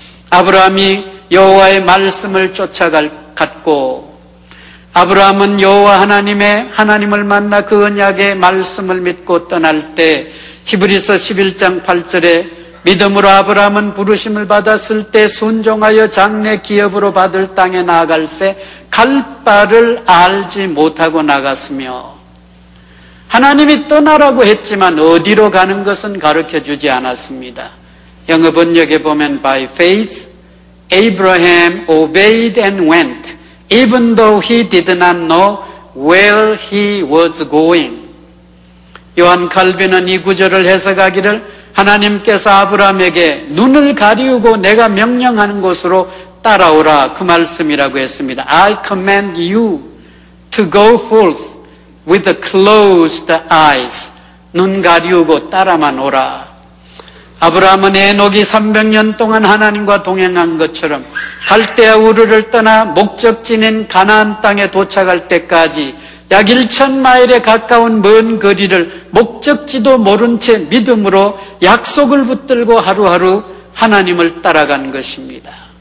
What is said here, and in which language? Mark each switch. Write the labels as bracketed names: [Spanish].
[Korean] 아브라함이 여호와의 말씀을 쫓아갔고 아브라함은 여호와 하나님의 하나님을 만나 그 언약의 말씀을 믿고 떠날 때 히브리서 11장 8절에 믿음으로 아브라함은 부르심을 받았을 때 순종하여 장래 기업으로 받을 땅에 나아갈 새 갈 바를 알지 못하고 나갔으며 하나님이 떠나라고 했지만 어디로 가는 것은 가르쳐주지 않았습니다. 영어 번역에 보면 [English] By faith, Abraham obeyed and went, even though he did not know where he was going. [Korean] 요한 칼빈은 이 구절을 해석하기를 하나님께서 아브라함에게 눈을 가리우고 내가 명령하는 곳으로 따라오라 그 말씀이라고 했습니다. [English] I command you to go forth with closed eyes. [Korean] 눈 가리우고 따라만 오라. 아브라함은 에녹이 300년 동안 하나님과 동행한 것처럼 갈대아 우르를 떠나 목적지인 가나안 땅에 도착할 때까지 약 1,000마일에 가까운 먼 거리를 목적지도 모른 채 믿음으로 약속을 붙들고 하루하루 하나님을 따라간 것입니다.